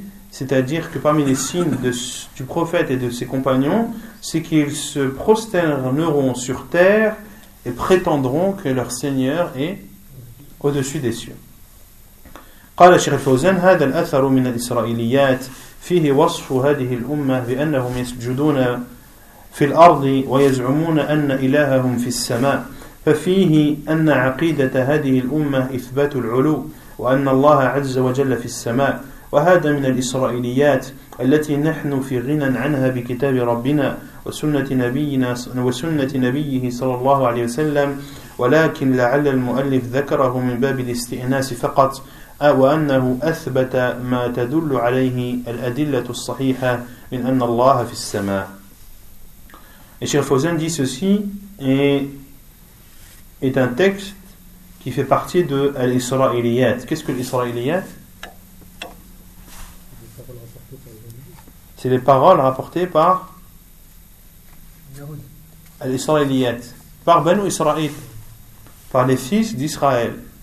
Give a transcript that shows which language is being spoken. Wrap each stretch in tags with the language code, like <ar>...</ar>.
<fr>c'est-à-dire que parmi les signes du prophète et de ses compagnons, c'est qu'ils se prosterneront sur terre et prétendront que leur Seigneur est au-dessus des cieux.</fr> <ar>قال الشيخ الفوزان هذا الأثر من الإسرائيليات فيه وصف هذه الأمة بأنهم يسجدون في الأرض ويزعمون أن إلههم في السماء, ففيه أن عقيدة هذه الأمة إثبات العلو وأن الله عز وجل في السماء, وهذا من الإسرائيليات التي نحن في غنى عنها بكتاب ربنا وسنة نبيه صلى الله عليه وسلم, ولكن لعل المؤلف ذكره من باب الاستئناس فقط, وأنه أثبت ما تدل عليه الأدلة الصحيحة من أن الله في السماء.</ar> <fr>Et Cheikh Fawzan dit ceci est un texte qui fait partie de l'Israéliyat. Qu'est-ce que l'Israéliyat? C'est les paroles rapportées par l'Israéliyat, par Banu Israël, par les fils d'Israël.</fr>